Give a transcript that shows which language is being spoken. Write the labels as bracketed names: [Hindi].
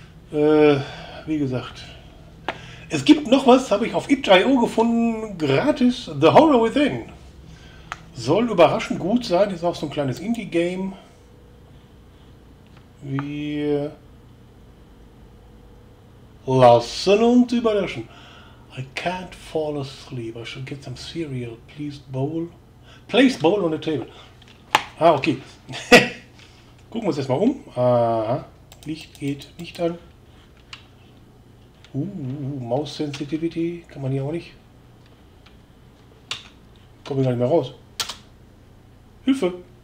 [German] Wie gesagt. Es gibt noch was, habe ich auf itch.io gefunden, gratis, The Horror Within. Soll überraschend gut sein, ist auch so ein kleines Indie-Game. Wir lassen uns überraschen. [English] I can't fall asleep, I should get some cereal, please bowl. Place bowl on the table. Ah, okay. [German] Gucken wir uns erstmal um. Aha, Licht geht nicht an. Maus-Sensitivity kann man hier auch nicht. Komme ich gar nicht mehr raus. Hilfe!